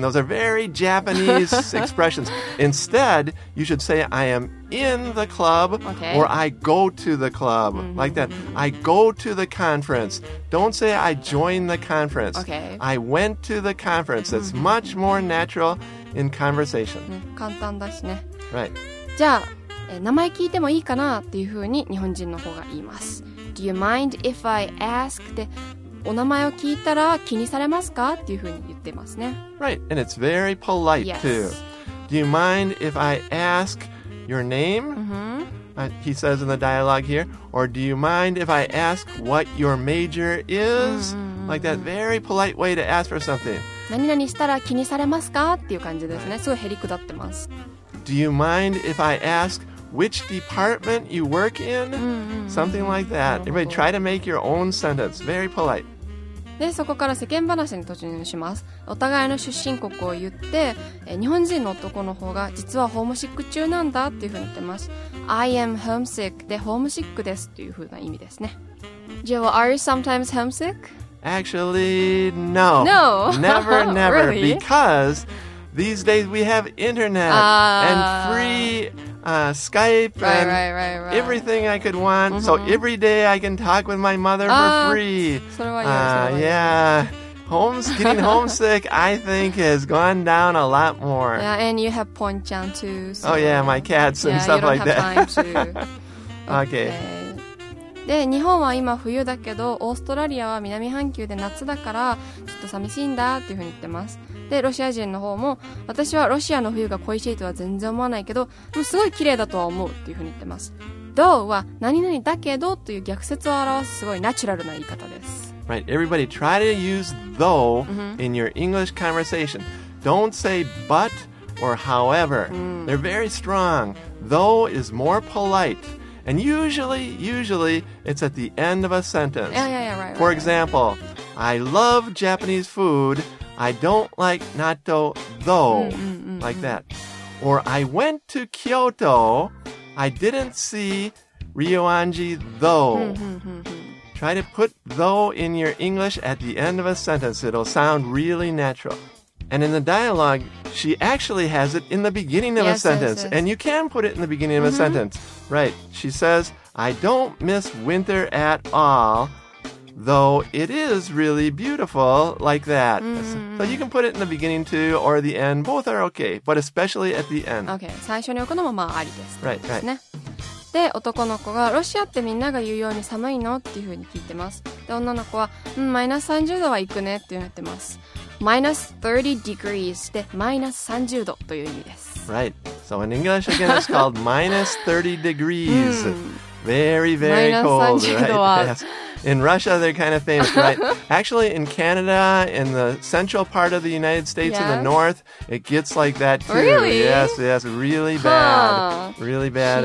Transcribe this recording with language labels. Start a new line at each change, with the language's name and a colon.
English: Those are very Japanese expressions. Instead, you should say I am in the club、 okay. or I go to the club、mm-hmm. like that. I go to the conference. Don't say I join the conference.、 Okay. I went to the conference. That's、mm-hmm. much more natural in conversation.、
Japanese: ね、簡単だしね。
English: Right.
Japanese: じゃあ、名前聞いてもいいかなっていうふうに日本人の方が言います。
English: Do you mind if I ask?
Japanese: ってお名前を聞いたら気にされますかっていうふうに言ってますね。
English: Right, and it's very polite、 yes. too. Do you mind if I ask your name?、 Mm-hmm. He says in the dialogue here. Or do you mind if I ask what your major is?、 Mm-hmm. Like that very polite way to ask for something.
Japanese: 何々したら気にされますかっていう感じですね。すごいへりくだってます。
English: Do you mind if I ask... Which department you work in?、
Japanese: うんうんうん、
English: Something like that. Everybody try to make your own sentence. Very polite.
Japanese: で、そこから世間話に突入します。お互いの出身国を言って、日本人の男の方が実はホームシック中なんだっていうふうに言ってます。
English: I am homesick
Japanese: でホームシックですっていうふうな意味ですね。
English: Joe, well, are you sometimes homesick? Actually, no. No. Never, never. really? Because these days we have internet、and free... Skype right, and right, right, right. everything I could want.、Mm-hmm. So every day I can talk with my mother for free. Yeah. Getting homesick, I think, has gone down a lot more. Yeah, and you have Pon-chan too.、So、 oh, yeah, my cats and yeah, stuff like that. Yeah, you don't have time to. okay.
Japanese: で、日本は今冬だけど、オーストラリアは南半球で夏だから、ちょっと寂しいんだっていうふうに言ってます。でロシア人の方も私はロシアの冬が恋しいとは全然思わないけどもうすごい綺麗だとは思うっていうふうに言ってます Though は何々だけどという逆説を表すすごいナチュラルな言い方です
English: Right, everybody try to use though、mm-hmm. in your English conversation Don't say but or however、 mm-hmm. They're very strong Though is more polite And usually it's at the end of a sentence Yeah, right For example, I love Japanese foodI don't like natto though, like that. Or I went to Kyoto, I didn't see Ryoanji though. Try to put though in your English at the end of a sentence. It'll sound really natural. And in the dialogue, she actually has it in the beginning of yes, a sentence. Yes, yes. And you can put it in the beginning of a sentence. Right. She says, I don't miss winter at all. Though it is really beautiful like that.、 Mm-hmm. So you can put it in the beginning too or the end. Both are okay, but especially at the end.
Japanese: Okay, 最初に置くのもまあありです。
English: Right, right.
Japanese: で、男の子がロシアってみんなが言うように寒いのっていうふうに聞いてます。で、女の子は、うん、マイナス30度は行くねって言ってます。マイナス30 degrees でマイナス30度という意味です。
English: Right. So in English, again, it's called minus 30 degrees. 、
Japanese: うん、
English: very, very cold.
Japanese: マイナス30度は、
English: right? yes. In Russia, they're kind of famous, right? Actually, in Canada, in the central part of the United States, yes. in the north, it gets like that too. Really? Yes, yes, really bad. Really bad.